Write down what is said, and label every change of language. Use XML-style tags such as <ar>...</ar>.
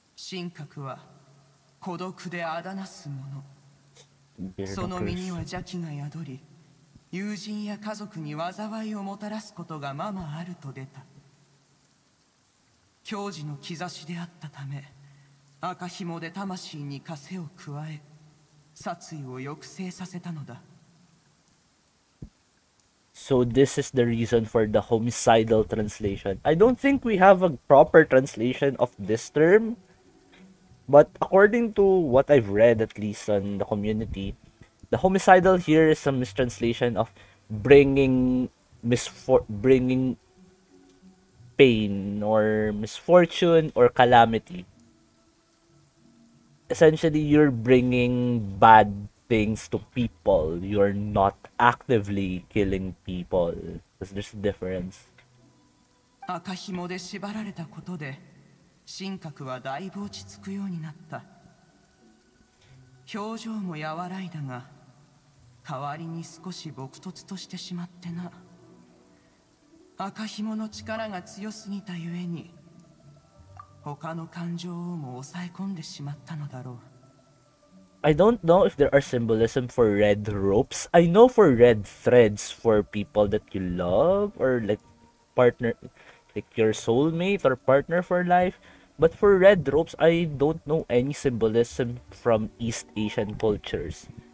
<ja>神格は孤独であだなす者、その身には邪気が宿り友人や家族に災いをもたらすことがままあると出た。教授の兆しであったため赤紐で魂に枷を加え殺意を抑制させたのだ。</ja> <en>So this is the reason for the homicidal translation. I don't think we have a proper translation of this term, but according to what I've read, at least on the community, the homicidal here is a mistranslation of bringing pain or misfortune or calamity. Essentially, you're bringing bad things to people. You're not actively killing people. There's a difference.</en> <ja>赤紐で縛られたことで神格はだいぶ落ち着くようになった。表情も和らいだが代わりに少し朴訥としてしまってな。赤紐の力が強すぎたゆえに他の感情をも抑え込んでしまったのだろう。</ja> <en>I don't know if there are symbolism for red ropes. I know for red threads for people that you love or like partner, like your soulmate or partner for life. But for red ropes, I don't know any symbolism from East Asian cultures.</en>